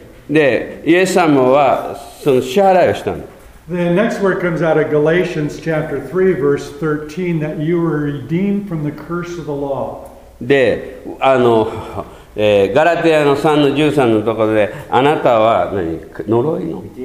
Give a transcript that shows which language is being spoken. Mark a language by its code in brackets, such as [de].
[ja] でイエス様はその支払いをしたの。 [en] The next word comes out of Galatians chapter 3 verse 13 that you were redeemed from the curse of the law. [ja] でガラテヤの3の13のところで、あなたは何呪いの